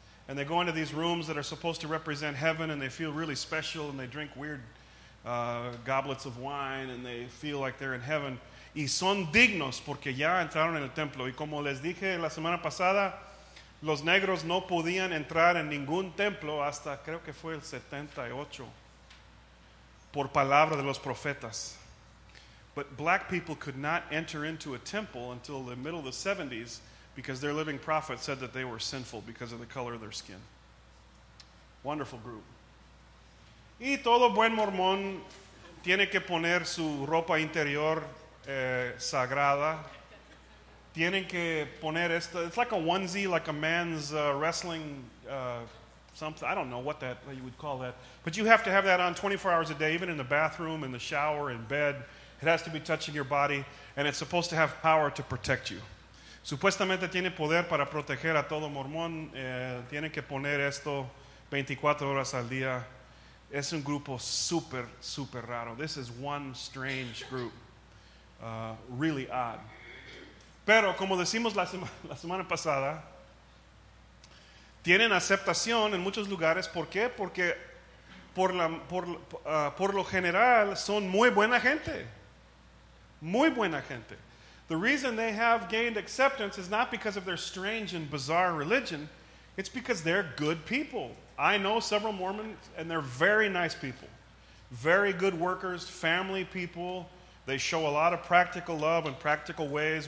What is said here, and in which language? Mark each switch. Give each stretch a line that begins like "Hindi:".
English: And they go into these rooms that are supposed to represent heaven and they feel really special and they drink weird goblets of wine and they feel like they're in heaven.
Spanish: Y son dignos porque ya entraron en el templo. Y como les dije la semana pasada, los negros no podían entrar en ningún templo hasta creo que fue el 78 por palabra de los profetas.
English: But black people could not enter into a temple until the middle of the 70s because their living prophet said that they were sinful because of the color of their skin. Wonderful group.
Spanish: Y todo buen mormón tiene que poner su ropa interior sagrada. Tienen que poner esto.
English: It's like a onesie, like a man's wrestling something. I don't know what you would call that. But you have to have that on 24 hours a day, even in the bathroom, in the shower, in bed. It has to be touching your body, and it's supposed to have power to protect you.
Spanish: Supuestamente tiene poder para proteger a todo mormón. Tienen que poner esto 24 horas al día. Es un grupo super, super raro.
English: This is one strange group. Really odd.
Spanish: Pero como decimos la semana pasada, tienen aceptación en muchos lugares. ¿Por qué? Porque por lo general son muy buena gente. Muy buena gente.
English: The reason they have gained acceptance is not because of their strange and bizarre religion. It's because they're good people. I know several Mormons and they're very nice people. Very good workers, family people. They show a lot of practical love and practical ways.